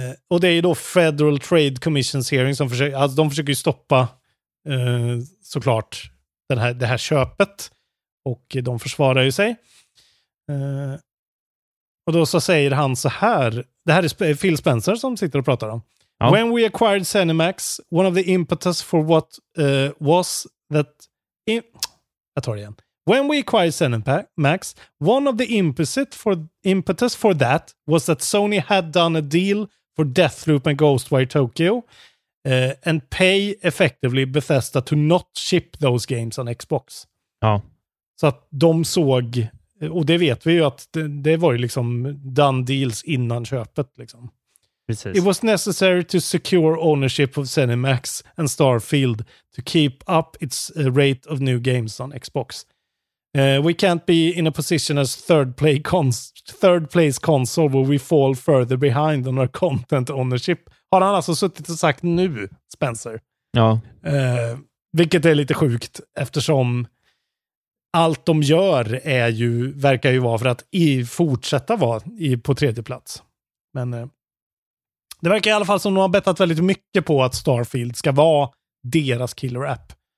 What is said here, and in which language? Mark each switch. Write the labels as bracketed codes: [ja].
[sv] Och det är ju då Federal Trade Commission's hearing som försöker, alltså de försöker ju stoppa såklart det här köpet, och de försvarar ju sig. Och då så säger han så här, det här är Phil Spencer som sitter och pratar om. Ja. [en] When we acquired Zenimax, one of the impetus for what was that [sv] jag tar det igen. [en] When we acquired Zenimax, one of the impetus for that was that Sony had done a deal for Deathloop and Ghostwire Tokyo and pay effectively Bethesda to not ship those games on Xbox. [sv] Ja. Så att de såg, och det vet vi ju att det var ju liksom [en] done deals [sv] innan köpet liksom. Precis. [en] It was necessary to secure ownership of Zenimax and Starfield to keep up its rate of new games on Xbox. We can't be in a position as third place console where we fall further behind on our content ownership. [sv] Har han alltså suttit och sagt nu, Spencer? Ja. Vilket är lite sjukt, eftersom allt de gör är ju, verkar ju vara för att fortsätta vara på tredje plats. Men det verkar i alla fall som de har bettat väldigt mycket på att Starfield ska vara deras killer app.